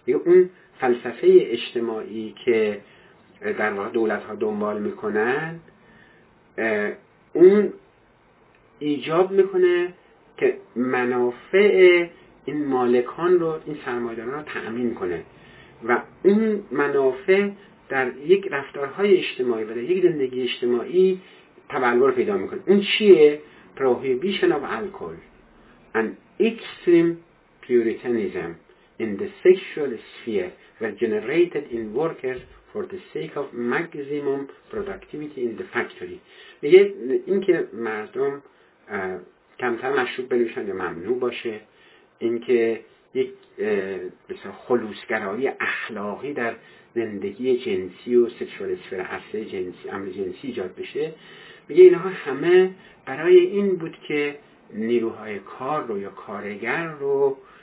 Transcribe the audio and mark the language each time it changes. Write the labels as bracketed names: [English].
[Persian] یه اون فلسفه اجتماعی که در واقع دولت ها دنبال میکنن، اون ایجاب میکنه که منافع این مالکان رو، این سرمایه‌داران رو تأمین کنه، و اون منافع در یک رفتارهای اجتماعی و در یک زندگی اجتماعی تبلور پیدا میکنه. اون چیه؟ [English] Prohibition of alcohol and extreme puritanism in the sexual sphere were generated in workers for the sake of maximum productivity in the factory. [Persian] میگه این که مردم کمتر مشروب بنوشن یا ممنوع باشه، اینکه یک مثلا خلوصگرایی اخلاقی در زندگی جنسی و [English] sexual sphere [Persian] اصل جنسی، امر جنسی ایجاد بشه، میگه اینها همه برای این بود که نیروهای کار رو یا کارگر رو